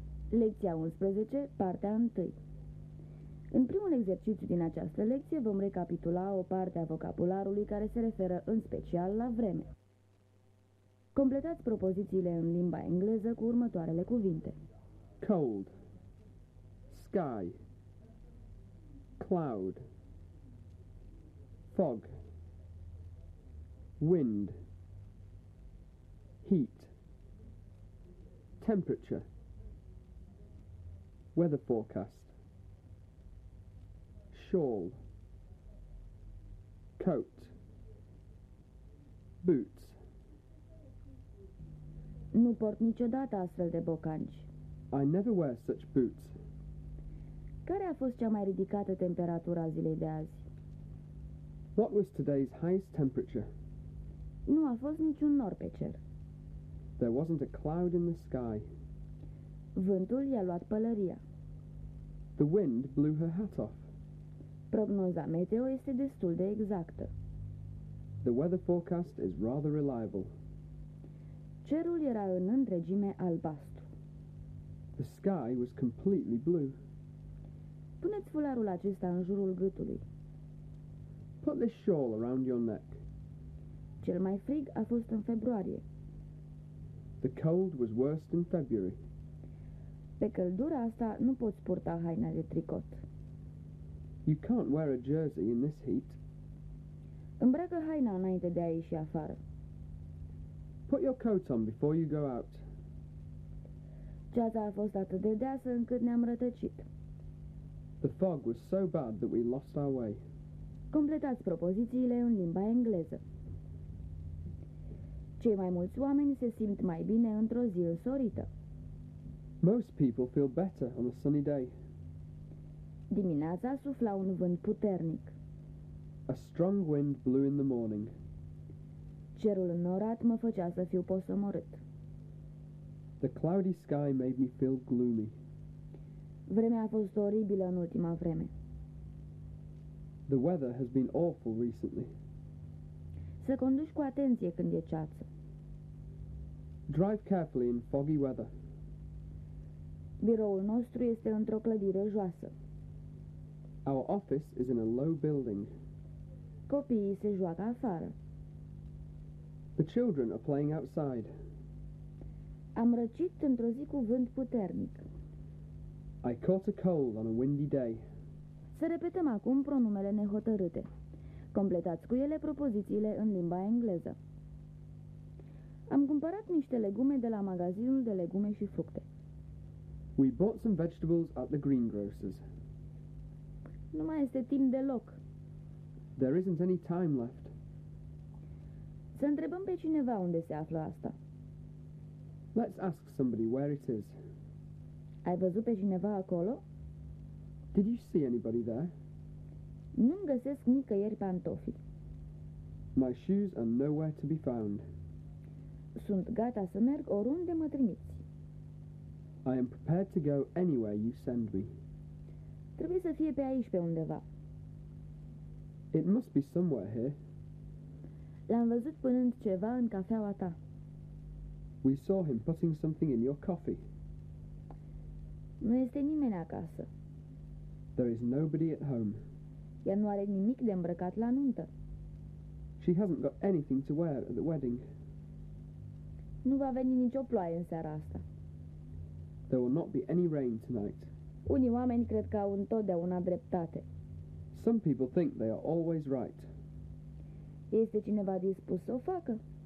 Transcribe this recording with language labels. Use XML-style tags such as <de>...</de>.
<ro>Lecția 11, partea 1. În primul exercițiu din această lecție vom recapitula o parte a vocabularului care se referă în special la vreme. Completați propozițiile în limba engleză cu următoarele cuvinte.</ro> <en>Cold, sky, cloud, fog, wind, heat, temperature, weather forecast, shawl, coat, boots.</en> <ro>Nu port niciodată astfel de bocanci.</ro> <en>I never wear such boots.</en> <ro>Care a fost cea mai ridicată temperatura zilei de azi?</ro> <en>What was today's highest temperature?</en> <ro>Nu a fost niciun nor pe cer.</ro> <en>There wasn't a cloud in the sky.</en> <ro>Vântul i-a luat pălăria.</ro> <en>The wind blew her hat off.</en> <ro>Prognoza meteo este destul de exactă.</ro> <en>The weather forecast is rather reliable.</en> <ro>Cerul era în întregime albastru.</ro> <en>The sky was completely blue.</en> <ro>Puneți fularul acesta în jurul gâtului.</ro> <en>Put this shawl around your neck.</en> <ro>Cel mai frig a fost în februarie.</ro> <en>The cold was worst in February.</en> <ro>Pe căldura asta nu poți purta haina de tricot.</ro> <en>You can't wear a jersey in this heat.</en> <ro>Îmbracă haina înainte de a ieși afară.</ro> <en>Put your coat on before you go out.</en> <ro>Ceața a fost atât de deasă încât ne-am rătăcit.</ro> <en>The fog was so bad that we lost our way.</en> <ro>Completați propozițiile în limba engleză. Cei mai mulți oameni se simt mai bine într-o zi însorită.</ro> <en>Most people feel better on a sunny day.</en> <ro>Dimineața sufla un vânt puternic.</ro> <en>A strong wind blew in the morning.</en> <ro>Cerul înnorat mă făcea să fiu posomorât.</ro> <en>The cloudy sky made me feel gloomy.</en> <ro>Vremea a fost oribilă în ultima vreme.</ro> <en>The weather has been awful recently.</en> <ro>Să conduci cu atenție când e ceață.</ro> <en>Drive carefully in foggy weather.</en> <ro>Biroul nostru este într-o clădire joasă.</ro> <en>Our office is in a low building.</en> <ro>Copiii se joacă afară.</ro> <en>The children are playing outside.</en> <ro>Am răcit într-o zi cu vânt puternic.</ro> <en>I caught a cold on a windy day.</en> <ro>Să repetăm acum pronumele nehotărâte. Completați cu ele propozițiile în limba engleză. Am cumpărat niște legume de la magazinul de legume și fructe.</ro> <en>We bought some vegetables at the greengrocer's.</en> <ro>Nu mai este timp deloc.</ro> <en>There isn't any time left.</en> <ro>Să întrebăm pe cineva unde se află asta.</ro> <en>Let's ask somebody where it is.</en> <ro>Ai văzut pe cineva acolo?</ro> <en>Did you see anybody there?</en> <ro>Nu-mi găsesc nicăieri pantofii.</ro> <en>My shoes are nowhere to be found.</en> <ro>Sunt gata să merg oriunde mă trimiți.</ro> <en>I am prepared to go anywhere you send me.</en> <ro>Trebuie să fie pe aici, pe undeva.</ro> <en>It must be somewhere here.</en> <ro>L-am văzut punând ceva în cafeaua ta.</ro> <en>We saw him putting something in your coffee.</en> <ro>Nu este nimeni acasă.</ro> <en>There is nobody at home.</en> <ro>Ea nu are nimic de îmbrăcat la nuntă.</ro> <en>She hasn't got anything to wear at the wedding.</en> <ro>Nu va veni nicio ploaie în seara asta.</ro> <en>There will not be any rain tonight.</en> <ro>Unii oameni cred că au întotdeauna dreptate.</ro> <en>Some people think they are always right.</en> <ro>Este cineva dispus să o facă?</ro>